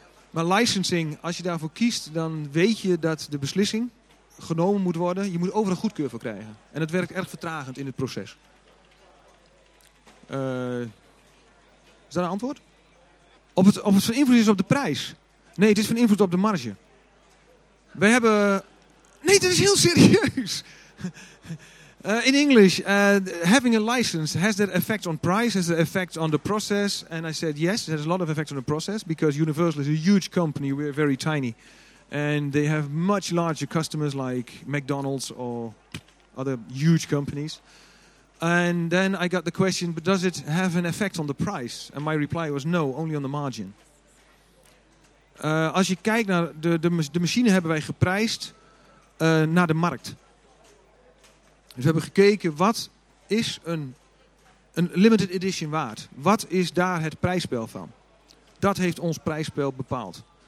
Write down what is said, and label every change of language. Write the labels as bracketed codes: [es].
[nl] Maar licensing, als je daarvoor kiest, dan weet je dat de beslissing genomen moet worden. Je moet overal goedkeur voor krijgen. En het werkt erg vertragend in het proces. Is dat een antwoord? Of het van invloed is op de prijs? Nee, het is van invloed op de marge. We hebben. Nee, dit is heel serieus. [en] In English, having a license, has that effect on price? Has that effect on the process? And I said, yes, it has a lot of effect on the process. Because Universal is a huge company, we're very tiny. And they have much larger customers like McDonald's or other huge companies. And then I got the question, but does it have an effect on the price? And my reply was no, only on the margin. [nl] Als je kijkt naar de machine hebben wij geprijsd naar de markt. Dus we hebben gekeken, wat is een limited edition waard? Wat is daar het prijsspel van? Dat heeft ons prijsspel bepaald.